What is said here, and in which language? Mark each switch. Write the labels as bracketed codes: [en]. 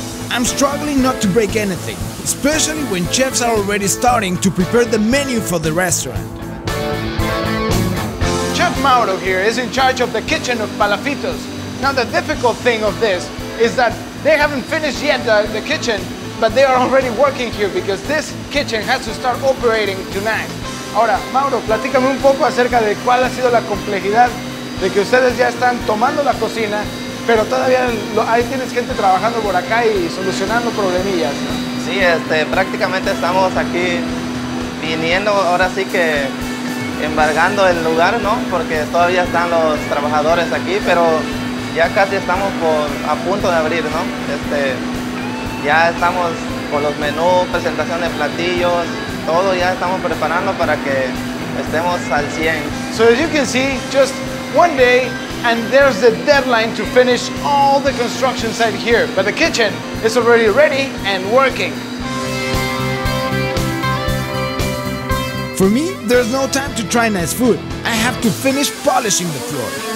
[en] I'm struggling not to break anything, especially when chefs are already starting to prepare the menu for the restaurant. Chef Mauro here is in charge of the kitchen of Palafitos. Now the difficult thing of this is that they haven't finished yet the kitchen, but they are already working here because this kitchen has to start operating tonight. [es] Ahora, Mauro, platícame un poco acerca de cuál ha sido la complejidad de que ustedes ya están tomando la cocina, pero todavía ahí tienes gente trabajando por acá y solucionando problemillas. Sí, prácticamente estamos aquí viniendo, ahora sí que embargando el lugar, ¿no? Porque todavía están los trabajadores aquí, pero ya casi estamos a punto de abrir, ¿no? Ya estamos con los menús, presentación de platillos, todo ya estamos preparando para que estemos al 100. [en] So as you can see, just one day and there's the deadline to finish all the construction site here. But the kitchen is already ready and working. For me, there's no time to try nice food. I have to finish polishing the floor.